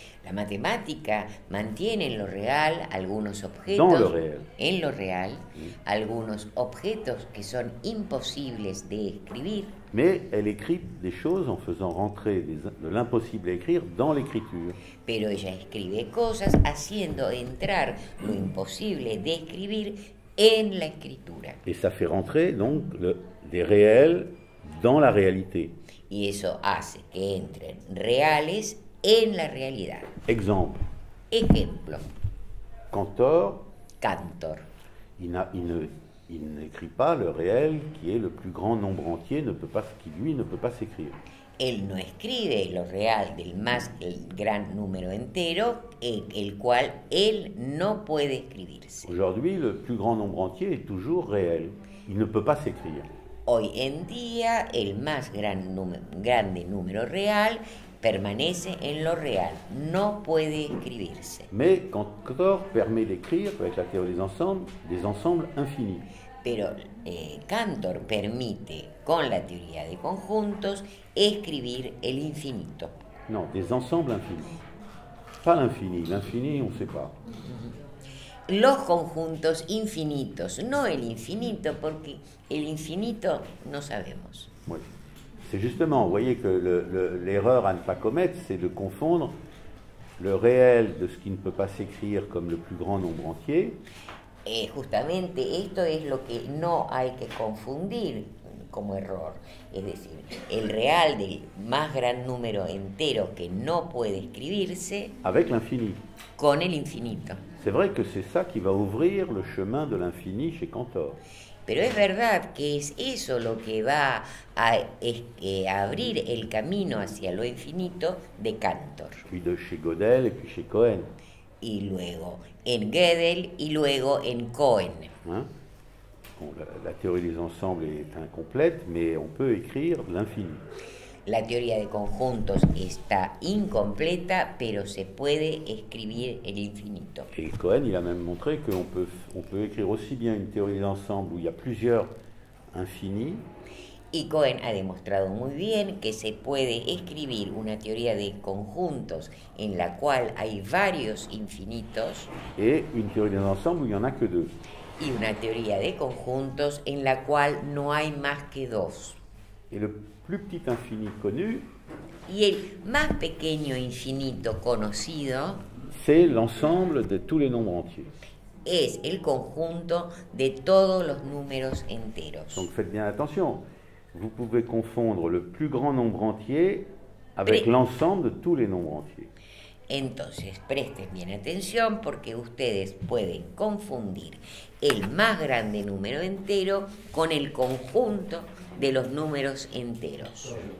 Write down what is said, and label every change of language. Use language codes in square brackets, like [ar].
[es] La matemática mantiene en lo real algunos objetos. [fr] Dans le réel. [es] En lo real, algunos objetos que son imposibles de escribir. [fr] Mais elle écrit des choses en faisant rentrer de l'impossible à écrire dans l'écriture. [es] Pero ella escribe cosas haciendo entrar lo imposible de escribir en la escritura. [fr] Et ça fait rentrer donc des réels dans la réalité. [es] Y eso hace que entren reales en la realidad. [fr] Exemple. [es] Ejemplo. Cantor. Cantor. [fr] Il n'écrit pas le réel qui est le plus grand nombre entier, ne peut pas, qui lui ne peut pas s'écrire. [es] Él no escribe lo real del más gran número entero, el cual él no puede escribirse. [fr] Aujourd'hui, le plus grand nombre entier est toujours réel. Il ne peut pas s'écrire. [es] Hoy en día, el más grande número real permanece en lo real. No puede escribirse. [fr] Mais Cantor permet d'écrire, avec la théorie des ensembles infinis. [es] Pero Cantor permite, con la teoría de conjuntos, escribir el infinito. [fr] No, des ensembles infinis. Pas l'infini. L'infini, on ne sait pas. [es] Los conjuntos infinitos, no el infinito, porque el infinito no sabemos. [fr] Oui. C'est justement, vous voyez que l'erreur à ne pas commettre, c'est de confondre le réel de ce qui ne peut pas s'écrire comme le plus grand nombre entier. [es] Et justamente, esto es lo que no hay que confundir como error. Es decir, el real del más gran número entero que no puede escribirse. [fr] Avec l'infini. [es] Con el infinito. [fr] C'est vrai que c'est ça qui va ouvrir le chemin de l'infini chez Cantor. [es] Pero es verdad que es eso lo que va a abrir el camino hacia lo infinito de Cantor. [fr] Puis de chez Gödel et puis chez Cohen. [es] Y luego en Gödel y luego en Cohen. Hein? [fr] Bon, la théorie des ensembles est incomplète, mais on peut écrire l'infini. [es] La teoría de conjuntos está incompleta, pero se puede escribir el infinito. [fr] Et Cohen, il a même montré qu'on peut écrire aussi bien une théorie d'ensemble où il y a plusieurs infinis. [es] Y Cohen ha demostrado muy bien que se puede escribir una teoría de conjuntos en la cual hay varios infinitos. [fr] Et une théorie d'ensemble où il y en a que deux. [es] Y una teoría de conjuntos en la cual no hay más que dos. [fr] Et le plus petit infini connu. [es] Y el más pequeño infinito conocido. [fr] C'est l'ensemble de tous les nombres entiers. [es] Es el conjunto de todos los números enteros. [fr] Donc faites bien attention. Vous pouvez confondre le plus grand nombre entier avec l'ensemble de tous les nombres entiers. [es] Entonces, presten bien atención porque ustedes pueden confundir el más grande número entero con el conjunto de los números enteros.